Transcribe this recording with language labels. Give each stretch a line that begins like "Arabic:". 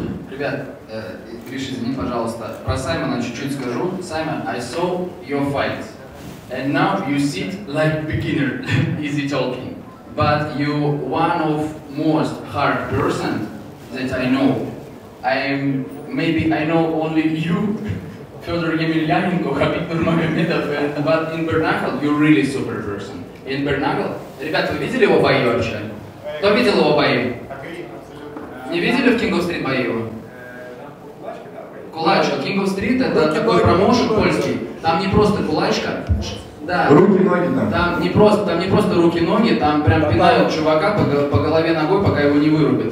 Russian: Ребят, Гриш, извини, пожалуйста. Про Саймона чуть-чуть скажу. Саймон,
English: I saw your fight. And now you sit like beginner, easy talking. But you one of most hard person that I know. I know only you, Fyodor Emelianenko, Khabib Nurmagomedov, but in Bernacle you're really super person. In Bernacle?
Russian: Ребята, вы видели его бои вообще? Кто видел его бои? Не видели в King of Street бои его? Кулачка, King of Street это такой промоушен польский. Там не просто кулачка. Да. Руки, ноги там. Там не просто руки, ноги, там прям пинают чувака по голове ногой, пока его не вырубят.